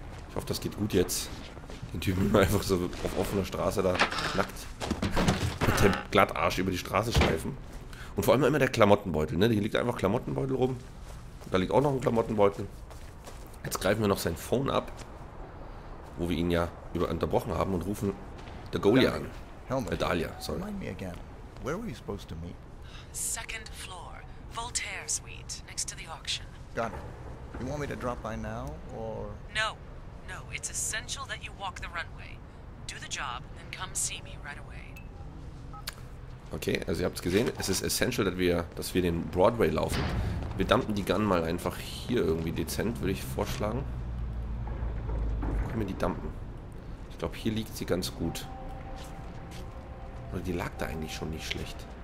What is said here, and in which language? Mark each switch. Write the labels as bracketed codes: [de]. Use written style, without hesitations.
[de] Ich hoffe, das geht gut jetzt. Den Typen einfach so auf offener Straße da nackt mit dem Glattarsch über die Straße schleifen. Und vor allem immer der Klamottenbeutel, ne? Hier liegt einfach Klamottenbeutel rum. Da liegt auch noch ein Klamottenbeutel. Jetzt greifen wir noch sein Phone ab, wo wir ihn ja über unterbrochen haben und rufen der Goalie an. [en] Dahlia, sorry. Remind me again. Where were you supposed to meet? Second floor, Voltaire Suite, next to the auction. Got it. You want me to drop by now, or...? No, no, it's essential that you walk the runway. Do the job, then come see me right away. [de] Okay, also ihr habt es gesehen, es ist essential, dass wir den Broadway laufen. Wir dumpen die Gun mal einfach hier irgendwie dezent, würde ich vorschlagen. Wo können wir die dumpen? Ich glaube, hier liegt sie ganz gut. Oder die lag da eigentlich schon nicht schlecht.